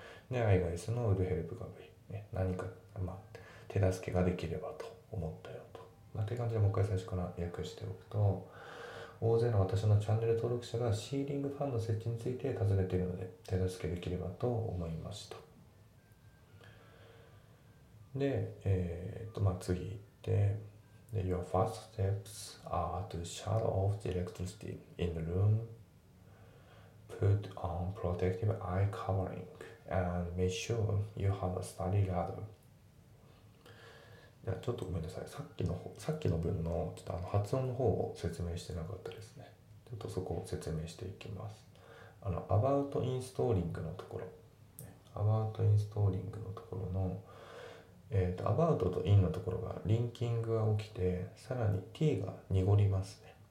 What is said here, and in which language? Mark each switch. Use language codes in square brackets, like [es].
[ja] で、I が S のウルヘルプが V、ね、何か、まあ、手助けができればと思ったよと、まあ、って感じでもう一回最初から訳しておくと、大勢の私のチャンネル登録者がシーリングファンの設置について尋ねているので手助けできればと思いました。で、まあ、次行って、で、 [en] Your first steps are to shut off the electricity in the room, put on protective eye coveringAnd make sure you have a study ladder. [ja] ちょっとごめんなさい。さっきの文のちょっとあの発音の方を説明してなかったですね。ちょっとそこを説明していきます。あの about installing のところ、about installing のところの、about と in のところがリンキングが起きて、さらに t が濁りますね。